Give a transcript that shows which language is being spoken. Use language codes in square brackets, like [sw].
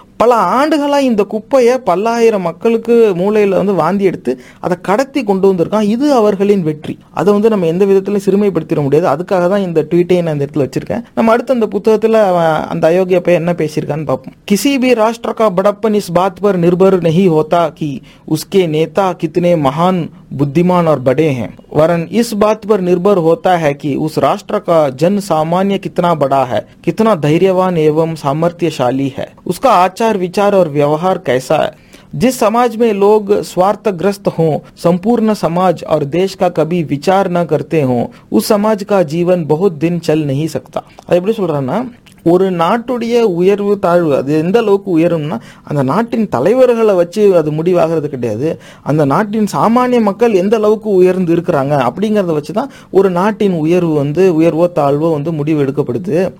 [ta] பல ஆண்டுகளா இந்த குப்பையை 1000 மக்களுக்கு மூலையில வந்து வாந்தி எடுத்து அதை கடத்தி கொண்டு வந்திருக்கான், இது அவர்களின் வெற்றி. அதை வந்து நம்ம எந்த விதத்திலும் சிறுமைப்படுத்திட முடியாது, அதுக்காக தான் இந்த ட்வீட்டை நான் இந்த இடத்துல வச்சிருக்கேன். நம்ம அடுத்து அந்த புத்தகத்துல அந்த அயோக்கிய பையன் என்ன பேசியிருக்கான்னு பார்ப்போம். [hi] கிசிபி ராஷ்டிர கா படப்பன் இஸ் பாத் பர் நிர்பர் नहीं होता कि उसके नेता कितने महान बुद्धिमान और बड़े हैं, वरन इस बात पर निर्भर होता है कि उस राष्ट्र का जन सामान्य कितना बड़ा है, कितना धैर्यवान एवं सामर्थ्यशाली है, उसका आचार विचार और व्यवहार कैसा है। जिस समाज में लोग स्वार्थग्रस्त हों, संपूर्ण समाज और देश का कभी विचार न करते हों, उस समाज का जीवन बहुत दिन चल नहीं सकता। अभी सोल रहा ना [ta] ஒரு நாட்டுடைய உயர்வு தாழ்வு அது எந்த அளவுக்கு உயரும்னா அந்த நாட்டின் தலைவர்களை வச்சு அது முடிவாகிறது கிடையாது, அந்த நாட்டின் சாமானிய மக்கள் எந்த அளவுக்கு உயர்ந்து இருக்கிறாங்க அப்படிங்கிறத வச்சு தான் ஒரு நாட்டின் உயர்வு வந்து உயர்வோ தாழ்வோ வந்து முடிவு எடுக்கப்படுது.